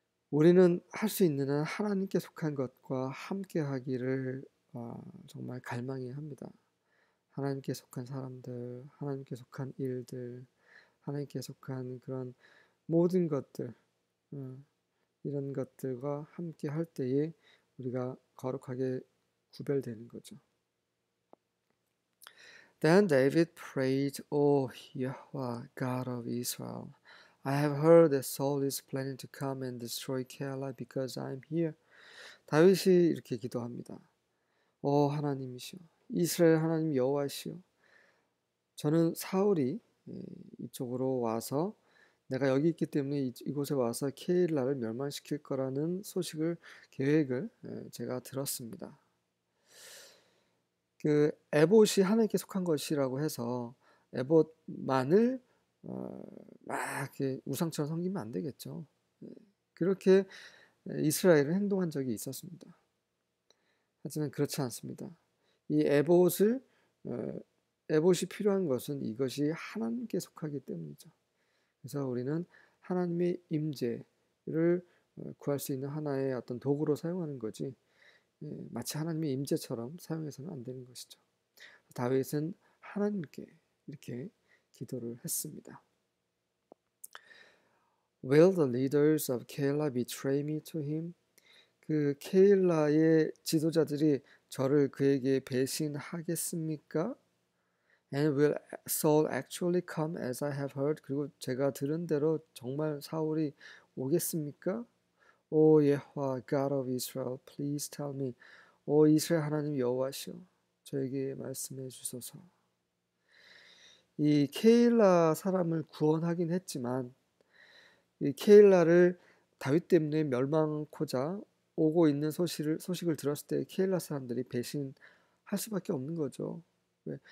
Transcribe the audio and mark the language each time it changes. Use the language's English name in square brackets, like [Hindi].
[Korean] 우리는 할수 있는 한 하나님께 속한 것과 함께 하기를 정말 갈망해야 합니다. 하나님께 속한 사람들, 하나님께 속한 일들, 하나님께 속한 그런 모든 것들, 이런 것들과 함께 할 때에 우리가 거룩하게 구별되는 거죠. [English] Then David prayed, O Yahweh, God of Israel, I have heard that Saul is planning to come and destroy Keilah because I'm here. [Korean] 다윗이 이렇게 기도합니다. 오 하나님이시여, 이스라엘 하나님 여호와시여, 저는 사울이 이쪽으로 와서 내가 여기 있기 때문에 이곳에 와서 케일라를 멸망시킬 거라는 소식을 계획을 제가 들었습니다. 그 에봇이 하나님께 속한 것이라고 해서 에봇만을 막 이렇게 우상처럼 섬기면 안 되겠죠. 그렇게 이스라엘은 행동한 적이 있었습니다. 하지만 그렇지 않습니다. 이 에봇이 필요한 것은 이것이 하나님께 속하기 때문이죠. 그래서 우리는 하나님의 임재를 구할 수 있는 하나의 어떤 도구로 사용하는 거지, 마치 하나님의 임재처럼 사용해서는 안 되는 것이죠. 다윗은 하나님께 이렇게 기도를 했습니다. [English] Will the leaders of Keilah betray me to him? [Korean] 그 케일라의 지도자들이 저를 그에게 배신하겠습니까? [English] And will Saul actually come as I have heard? [Korean] 그리고 제가 들은 대로 정말 사울이 오겠습니까? [English] O Yehovah, God of Israel, please tell me. [Korean] 오 이스라엘 하나님 여호와시여, 저에게 말씀해 주소서. 이 케일라 사람을 구원하긴 했지만, 이 케일라를 다윗 때문에 멸망코자 오고 있는 소식을 들었을 때 케일라 사람들이 배신할 수밖에 없는 거죠. 왜?